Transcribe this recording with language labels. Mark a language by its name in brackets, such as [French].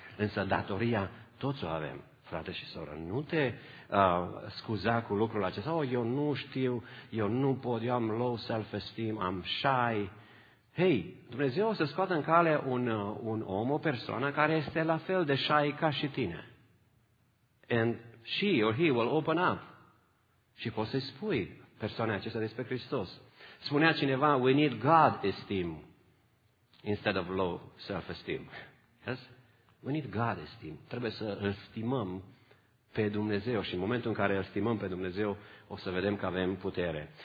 [Romanian] Însă datoria toți o avem, frate și soră. Nu te scuza cu lucrul acesta. Oh, eu nu știu, eu nu pot, eu am [English] low self-esteem, [Romanian] am shy. Hei, Dumnezeu o să scoată în cale un om, o persoană care este la fel de shy ca și tine. [English] And she or he will open up. [Romanian] Și poți să-i spui persoanei acestea despre Hristos. Spunea cineva, [English] we need God esteem instead of low self-esteem. Yes? We need God esteem. [Romanian] Trebuie să îl stimăm pe Dumnezeu. Și în momentul în care îl stimăm pe Dumnezeu, o să vedem că avem putere.